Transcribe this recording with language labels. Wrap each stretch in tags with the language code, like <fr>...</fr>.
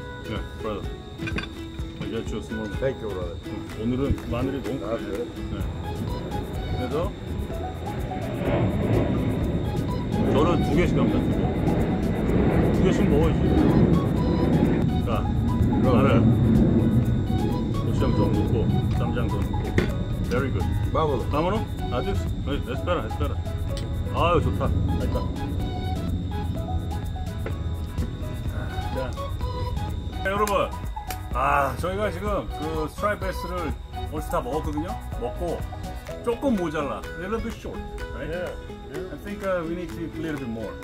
<en>Yeah, brother. I got you a small one. Thank you, brother.</en> <ko>오늘은 마늘이 너무 커요. 네. 그래서 저는 두 개씩 합니다. 두 개씩 먹어야지. 자. 마늘, 고추장 좀 넣고, 쌈장 좀 넣고.</ko> <en>Very good. 마모노. 마모노?</en> <ko>아주, 에스페라, 에스페라. 아유, 좋다. 맛있다. 자, 네, 여러분. 아, 저희가 지금 그 스트라이베스를 벌써 다 먹었거든요. 먹고, 조금 모자라.</ko> <en>A little bit short. Right? Yeah. I think we need to eat a little bit more.</en>